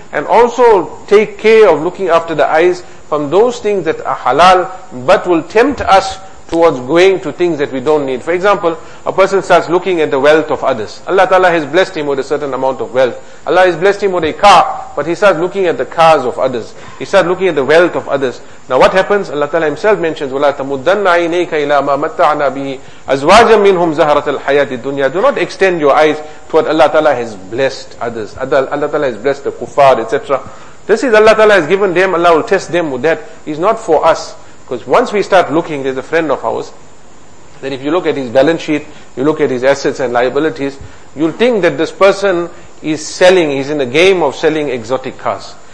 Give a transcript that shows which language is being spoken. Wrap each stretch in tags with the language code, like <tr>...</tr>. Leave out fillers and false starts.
<en>And also take care of looking after the eyes from those things that are halal, but will tempt us towards going to things that we don't need. For example, a person starts looking at the wealth of others. Allah Ta'ala has blessed him with a certain amount of wealth. Allah has blessed him with a car, but he starts looking at the cars of others. He starts looking at the wealth of others. Now what happens? Allah Ta'ala himself mentions,</en> <ar>وَلَا تَمُدَّنَّ عَيْنَيْكَ إِلَىٰ مَا مَتَّعْنَا بِهِ أَزْوَاجًا مِّنْهُمْ زَهْرَةَ الْحَيَاةِ الدُّنْيَا.</ar> <en>Do not extend your eyes toward Allah Ta'ala has blessed others. Allah Ta'ala has blessed the kuffar, etc. This is Allah Ta'ala has given them, Allah will test them with that. It's not for us. Because once we start looking, there's a friend of ours, that if you look at his balance sheet, you look at his assets and liabilities, you'll think that this person is selling, he's in a game of selling exotic cars.</en>